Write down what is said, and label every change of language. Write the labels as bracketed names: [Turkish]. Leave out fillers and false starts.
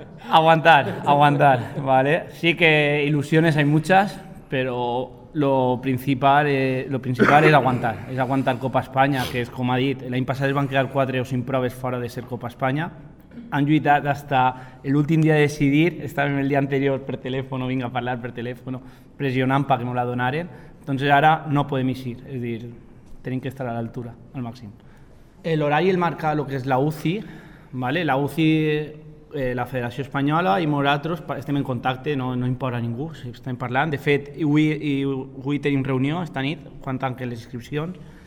[Spanish] aguantar, ¿vale? Sí que ilusiones hay muchas, pero lo principal es aguantar Copa España, que es como ha dit, [Catalan] l'any passat es van quedar 4 o 5 proves fora de ser Copa [Spanish] España. [Catalan] Han lluitat hasta el últim dia de decidir, estaven el dia anterior per telèfon, vinc a parlar per telèfon, pressionant perquè no la donaren. Entonces ara no podem ir, és a dir, tenim que estar a l'altura, al màxim. El horario el marca lo que es la UCI, ¿vale? La UCI, la Federación Española y nosotros estem en contacte, no importa ningú si estem parlant. De fet, avui tenim reunió esta nit, quan tanquen les inscripcions.